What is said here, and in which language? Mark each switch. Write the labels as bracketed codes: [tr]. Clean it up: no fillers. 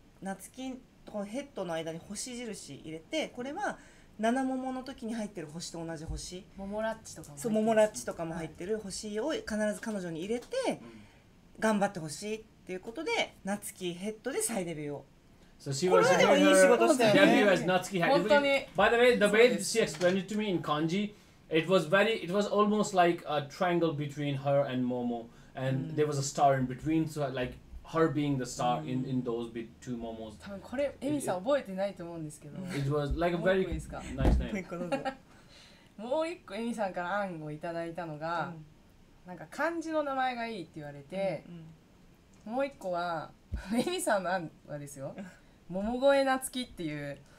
[ja] 夏希とこのヘッドの間に星印入れて、これは七桃の時に入ってる星と同じ星、桃ラッチとかも、そう桃ラッチとかも入ってる星を必ず彼女に入れて頑張ってほしいっていうことで、夏希ヘッドで再デビューを。 [en] So she was doing her. Yeah, he was Natsuki Hattori. By the way, the way she explained it to me in kanji, it was very, it was almost like a triangle between her and Momo, and there was a star in between. So like her being the star in those bit two Momos. [ja] 多分これエミさん覚えてないと思うんですけど。 [en] It was like a very nice name. [ja] もう一個エミさんから案をいただいたのが、なんか漢字の名前がいいって言われて、もう一個は。エミさんの案はですよ、桃越夏希っていう、